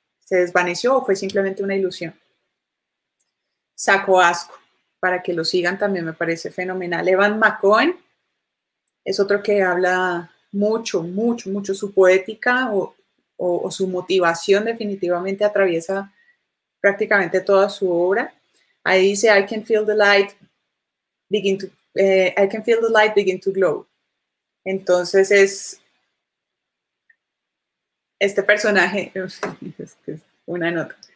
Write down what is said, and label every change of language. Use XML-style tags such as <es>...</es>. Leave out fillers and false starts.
<es>¿Se desvaneció o fue simplemente una ilusión? Saco asco, para que lo sigan, también me parece fenomenal. Evan McCohen es otro que habla mucho, mucho, mucho. Su poética o su motivación definitivamente atraviesa prácticamente toda su obra. Ahí dice,</es> <en>I can feel the light begin to, I can feel the light begin to glow.</en> <es>Entonces es este personaje, una nota.</es>